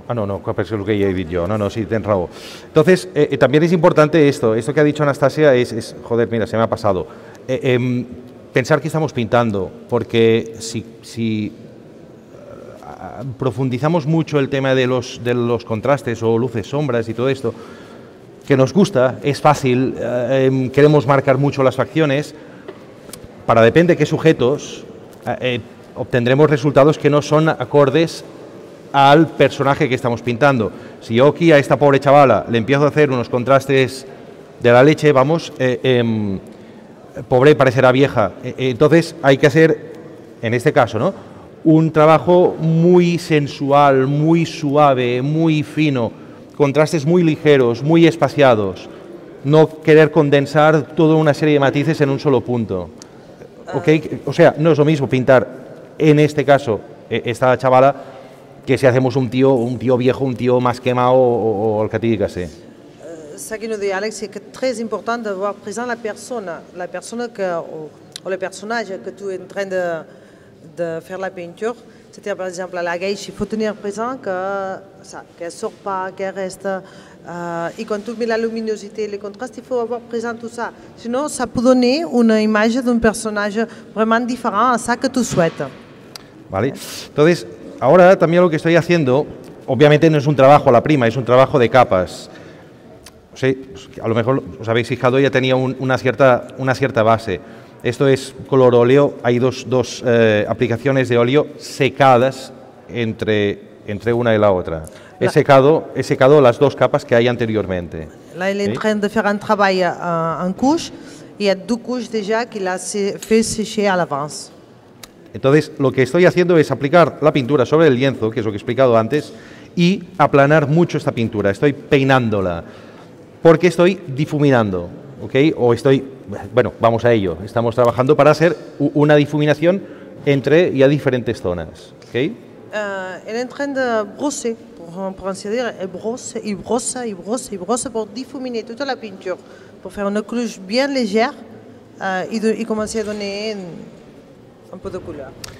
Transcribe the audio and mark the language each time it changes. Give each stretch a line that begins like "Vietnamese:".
Catalan: Ah, no, perquè és el que ja he dit jo. No, sí, tens raó. Entonces, també és important esto.
Spanish: Esto que ha dicho Anastasia es joder, mira, se me ha pasado. Pensar que estamos pintando, porque si profundizamos mucho el tema de los contrastes o luces, sombras y todo esto, que nos gusta, es fácil, queremos marcar mucho las facciones, para depende de qué sujetos, obtendremos resultados que no son acordes al personaje que estamos pintando. Si yo aquí a esta pobre chavala le empiezo a hacer unos contrastes de la leche, vamos, pobre parecerá vieja. Entonces hay que hacer, en este caso, ¿no?, un trabajo muy sensual, muy suave, muy fino, contrastes muy ligeros, muy espaciados. No querer condensar toda una serie de matices en un solo punto. ¿Okay? O sea, no es lo mismo pintar, en este caso, esta chavala, que si hacemos un tío viejo, un tío más quemado o el que te digas.
French: Ce que nous dit Alex, c'est que très important d'avoir présent la persona que, ou le personnage que tu es en train de faire la peinture. C'est-à-dire, par exemple, la geisha, il faut tenir présent qu'elle ne sort pas, qu'elle reste. Et quand tu mets la luminosité et le contraste, il faut avoir présent tout ça. Sinon, ça peut donner une image d'un personnage vraiment différent à ça que tu souhaites.
Spanish: Vale. Entonces, ahora también lo que estoy haciendo, obviamente no es un trabajo a la prima, es un trabajo de capas. Sí, a lo mejor os habéis fijado, ya tenía una cierta base. Esto es color óleo, hay dos aplicaciones de óleo secadas entre una y la otra. He secado las dos capas que hay anteriormente.
French: Là, il est en train de faire un travail en couche. Il y a deux couches déjà qu'il a fait sécher à l'avance.
Spanish: Entonces, lo que estoy haciendo es aplicar la pintura sobre el lienzo, que es lo que he explicado antes, y aplanar mucho esta pintura. Estoy peinándola porque estoy difuminando, ¿ok? O estoy, bueno, vamos a ello. Estamos trabajando para hacer una difuminación entre y a diferentes zonas, ¿ok?
French: Il est en train de brosser. Pour ainsi dire, il brosse pour diffuminer toute la peinture, pour faire une couche bien légère et commencer à donner un peu de couleur.